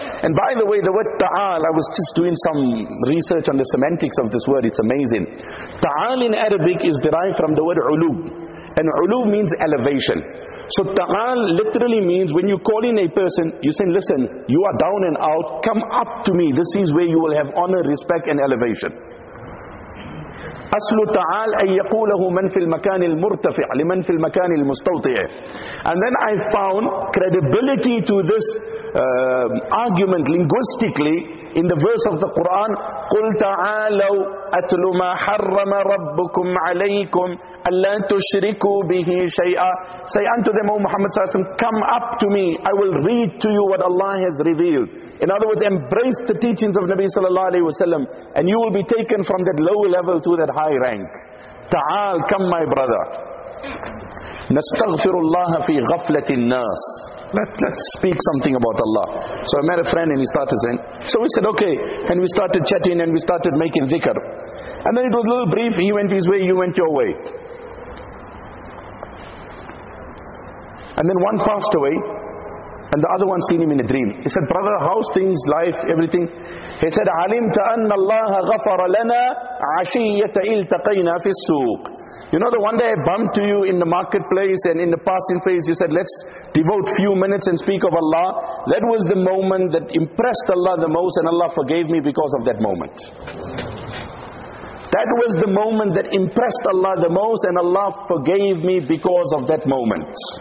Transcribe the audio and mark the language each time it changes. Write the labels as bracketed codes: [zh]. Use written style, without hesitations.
[en] And by the way, the word ta'al, I was just doing some research on the semantics of this word, it's amazing. Ta'al in Arabic is derived from the word ulub. And ulub means elevation. So ta'al literally means when you call in a person, you say, listen, you are down and out, come up to me. This is where you will have honor, respect and elevation. [ar] أصل تعال أن يقوله من في المكان المرتفع لمن في المكان المستوطع. [en] And then I found credibility to this argument linguistically in the verse of the Quran. [ar] قل تعالوا أتل ما حرم ربكم عليكم ألا تشركوا به شيئا. [en] Say unto them, O Muhammad sallallahu alayhi wa sallam, come up to me, I will read to you what Allah has revealed. In other words, embrace the teachings of Nabi sallallahu alayhi wa sallam, and you will be taken from that low level to that high rank. Ta'al, come my brother. [ar] نستغفر الله في غفلة الناس. [en] Let's speak something about Allah. So I met a friend and he started saying, so we said, okay. And we started chatting and we started making dhikr. And then it was a little brief. He went his way, you went your way. And then one passed away. And the other one seen him in a dream. He said, brother, how's things, life, everything? He said, [ar] عَلِمْتَ أَنَّ اللَّهَ غَفَرَ لَنَا عَشِيَّةَ إِلْتَقَيْنَا فِي السُّوقِ. [en] You know, the one day I bumped to you in the marketplace and in the passing phase, you said, let's devote few minutes and speak of Allah. That was the moment that impressed Allah the most, and Allah forgave me because of that moment. That was the moment that impressed Allah the most, and Allah forgave me because of that moment.